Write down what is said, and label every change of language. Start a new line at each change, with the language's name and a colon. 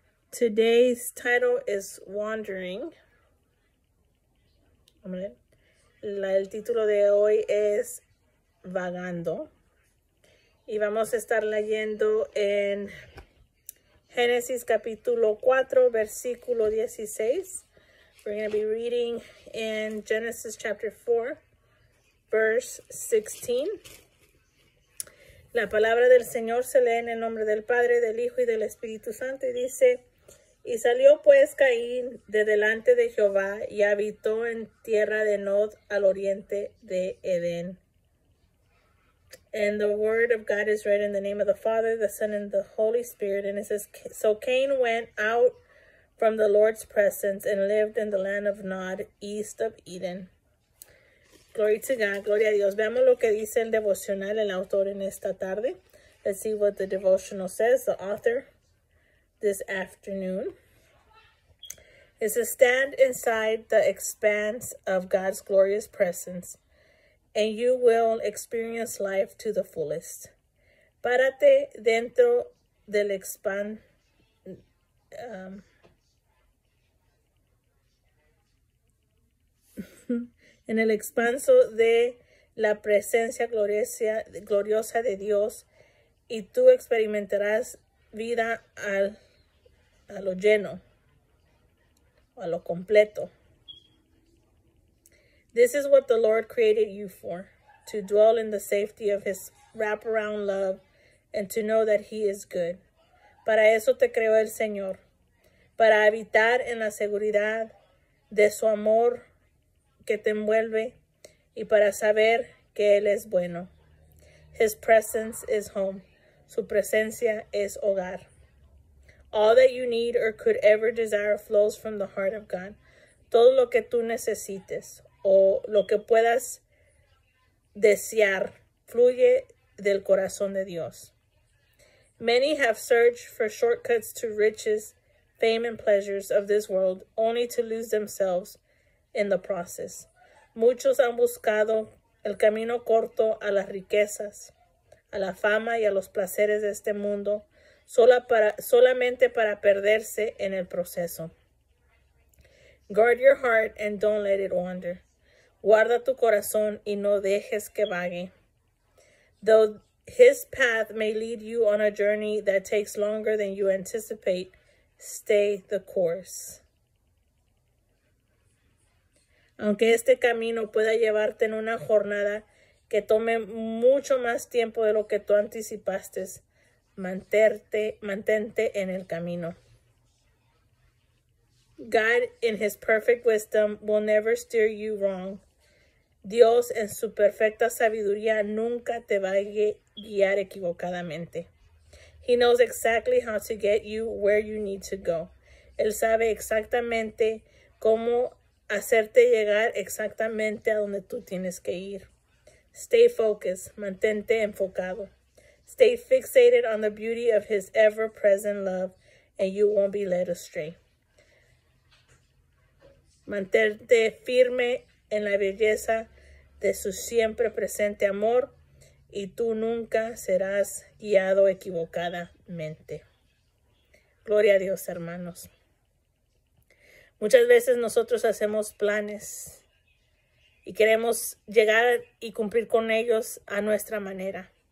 English: Today's title is Wandering.
Spanish: El título de hoy es Vagando. Y vamos a estar leyendo en Genesis capítulo 4, versículo 16.
English: We're going to be reading in Genesis chapter 4, verse 16.
Spanish: La palabra del Señor se lee en el nombre del Padre, del Hijo y del Espíritu Santo. Y dice, y salió pues Caín de delante de Jehová y habitó en tierra de Nod al oriente de Edén.
English: And the word of God is read in the name of the Father, the Son, and the Holy Spirit. And it says, so Cain went out from the Lord's presence and lived in the land of Nod, east of Eden. Glory to God.
Spanish: Gloria a Dios. Veamos lo que dice el devocional, el autor en esta tarde. Let's see what the devotional says, the author, this afternoon.
English: It says, stand inside the expanse of God's glorious presence. And you will experience life to the fullest.
Spanish: Párate dentro del en el expanso de la presencia gloriosa de Dios, y tú experimentarás vida a lo lleno, a lo completo.
English: This is what the Lord created you for, to dwell in the safety of his wraparound love and to know that he is good.
Spanish: Para eso te creó el Señor, para habitar en la seguridad de su amor que te envuelve y para saber que él es bueno.
English: His presence is home.
Spanish: Su presencia es hogar.
English: All that you need or could ever desire flows from the heart of God.
Spanish: Todo lo que tú necesites o lo que puedas desear fluye del corazón de Dios.
English: Many have searched for shortcuts to riches, fame, and pleasures of this world, only to lose themselves in the process.
Spanish: Muchos han buscado el camino corto a las riquezas, a la fama y a los placeres de este mundo, solamente para perderse en el proceso.
English: Guard your heart and don't let it wander.
Spanish: Guarda tu corazón y no dejes que vague.
English: Though his path may lead you on a journey that takes longer than you anticipate, stay the course.
Spanish: Aunque este camino pueda llevarte en una jornada que tome mucho más tiempo de lo que tú anticipaste, mantente en el camino.
English: God, in his perfect wisdom, will never steer you wrong.
Spanish: Dios, en su perfecta sabiduría, nunca te va a guiar equivocadamente.
English: He knows exactly how to get you where you need to go.
Spanish: Él sabe exactamente cómo hacerte llegar exactamente a donde tú tienes que ir.
English: Stay focused.
Spanish: Mantente enfocado.
English: Stay fixated on the beauty of his ever-present love, and you won't be led astray.
Spanish: Mantente firme en la belleza de su siempre presente amor, y tú nunca serás guiado equivocadamente. Gloria a Dios, hermanos. Muchas veces nosotros hacemos planes y queremos llegar y cumplir con ellos a nuestra manera.